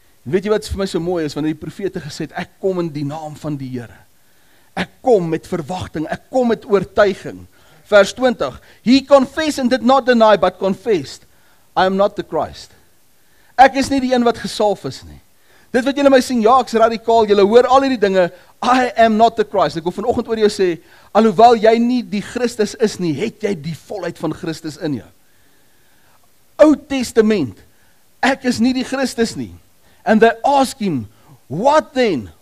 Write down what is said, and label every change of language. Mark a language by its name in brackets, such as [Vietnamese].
[Afrikaans] Weet jy wat vir my so mooi is, wanneer die profete gesê het, ek kom in die naam van die Here. Ek kom met verwagting, ek kom met oortuiging. Vers 20, [English] he confessed and did not deny, but confessed, I am not the Christ. [Afrikaans] Ek is nie die een wat gesalf is nie. Dit wat julle my sien, ja, ek is radikaal, julle hoor al hierdie dinge, [English] I am not the Christ. [Afrikaans] Ek wil vanoggend oor jou sê, alhoewel jy nie die Christus is nie, het jy die volheid van Christus in jou. Ou Testament, ek is nie die Christus nie. [English] And they ask him, what then?